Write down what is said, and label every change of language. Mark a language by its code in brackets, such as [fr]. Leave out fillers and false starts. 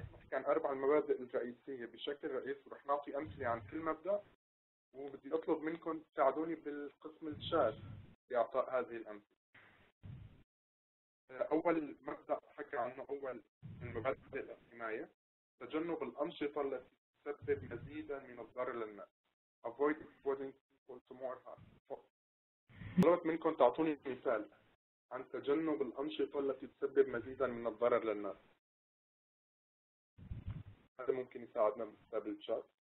[ar] كان 4 المبادئ الرئيسية بشكل رئيسي، رح نعطي أمثلة عن كل مبدأ وبدي أطلب منكم تساعدوني بالقسم الشات لإعطاء هذه الأمثلة. أول مبدأ حكى عنه أول المبادئ الحماية تجنب الأنشطة التي تسبب مزيداً من الضرر للناس. [en] Avoid exposing people to more harm. [ar] طلبت منكم تعطوني مثال عن تجنب الأنشطة التي تسبب مزيداً من الضرر للناس. هذا ممكن يساعدنا بكتاب الشات.